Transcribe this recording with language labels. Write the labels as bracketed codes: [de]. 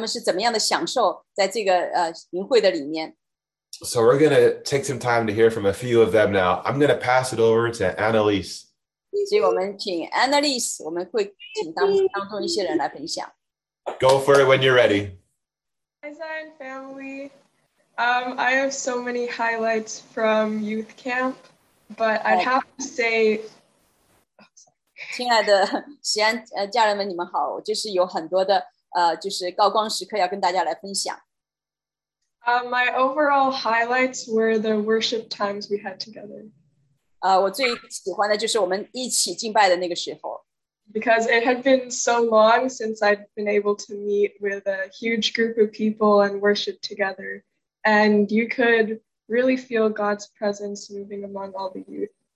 [zh] 所以我就是特别的请我们年轻的人来分享他们是怎么样的享受在这个营会的里面。 [en] So we're going to take some time to hear from a few of them now. I'm going to pass it over to Annalise. [zh] 所以我们请Annalise,我们会请当中一些人来分享。 [en] Go for it when you're ready. Hi Zion family. I have so many highlights from youth camp, but I'd have to say... [zh] 亲爱的西安家人们,你们好,我就是有很多的高光时刻要跟大家来分享。 [en] My overall highlights were the worship times we had together. [zh] 我最喜欢的就是我们一起敬拜的那个时候。 [en] Because it had been so long since I'd been able to meet with a huge group of people and worship together. And you could really feel God's presence moving among all the youth.